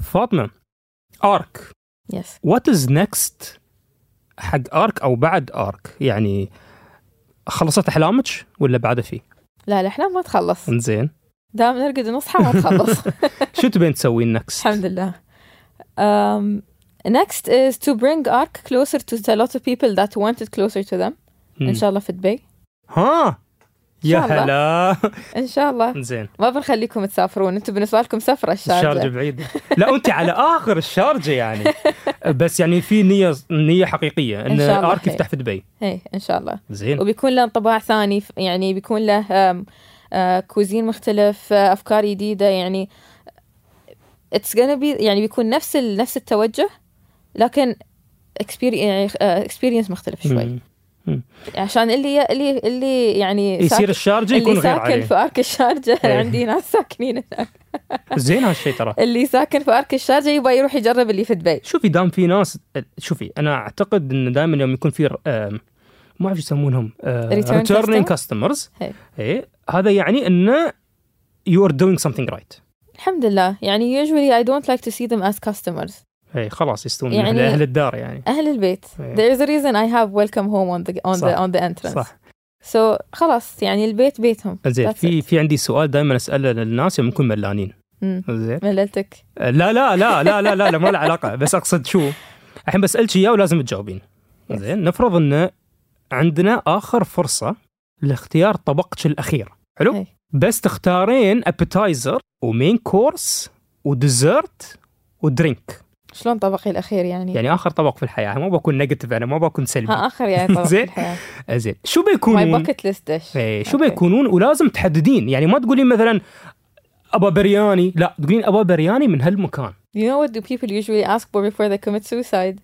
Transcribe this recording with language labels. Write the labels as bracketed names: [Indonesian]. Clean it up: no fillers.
[Arabic] فاطمه ارك [English] Yes. What is next [Arabic] حق أرك أو بعد أرك يعني خلصت أحلامك ولا بعد فيه لا الأحلام ما تخلص إنزين دام نرقد نصحى ما تخلص شو تبين تسوي next الحمد لله [English] next is to bring Arc closer to a lot of people that want it closer to them [Arabic] إن شاء الله في دبي ها يا هلا إن شاء الله إنزين ما بنخليكم تسافرون أنتوا بالنسبة لكم سفرة الشارجة بعيدة لا أنت على آخر الشارجة يعني بس يعني في نية حقيقية إن أرك يفتح في دبي إيه إن شاء الله زين وبيكون له انطباع ثاني يعني بيكون له كوزين مختلف، افكار جديده، يعني اتس غانا بي يعني بيكون نفس التوجه لكن اكسبيرينس مختلف شوي. عشان اللي يعني يصير الشارجه يكون غير عليه. اللي ساكن في ارك الشارجه عندي ناس ساكنين هناك. زين هالشيء ترى. اللي ساكن في ارك الشارجه يبغى يروح يجرب اللي في دبي. شوفي دام في ناس، شوفي انا اعتقد ان دائما يوم يكون في ما اعرف يسمونهم [English] returning customers، [Arabic] هذا يعني انه [English] you are doing something right. [Arabic] الحمد لله. [English] يعني usually I don't like to see them as customers. [Arabic] اي خلاص يستون يعني اهل الدار، يعني اهل البيت. [English] There is a reason I have welcome home on the entrance. [Arabic] صح. So خلاص يعني البيت بيتهم. زين في عندي سؤال دائما اساله للناس يوم يكون ملانين. زين مللتك؟ لا لا لا لا لا لا, لا ما له علاقه، بس اقصد شو الحين بسالك اياه ولازم تجاوبين. زين yes. نفرض ان عندنا اخر فرصه لاختيار طبقك الاخير، حلو. بس تختارين appetizer ومين كورس وديزرت ودرينك. شلون طبقي الأخير يعني؟ يعني آخر طبق في الحياة. ما بكون نيجاتيف، أنا ما بكون سلبي. آخر يعني طبق في الحياة. زين شو بيكونون؟ [English] My bucket list dish. [Arabic] شو بيكونون؟ ولازم تحددين، يعني ما تقولين مثلا أبا برياني، لا تقولين أبا برياني من هالمكان. [English] You know what do people usually ask for before they commit suicide?